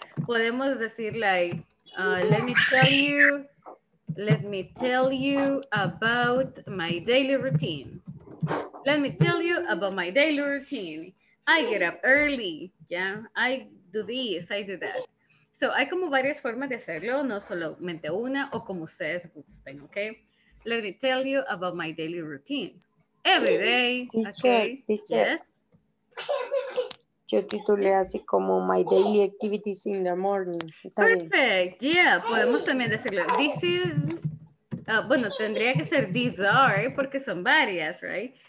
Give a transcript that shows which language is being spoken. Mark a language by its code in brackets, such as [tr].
[es] Podemos decir, [en] like, let me tell you, let me tell you about my daily routine. Let me tell you about my daily routine. I get up early. Yeah, I do this, I do that. [es] So hay como varias formas de hacerlo, no solamente una o como ustedes gusten, okay? [en] Let me tell you about my daily routine. Every day, okay? Yes? [es] Yo titulé así como [en] my daily activities in the morning. [es] Está perfect, bien. Yeah, podemos también decirlo. [en] This is, [es] bueno, tendría que ser [en] these are, [es] porque son varias, right?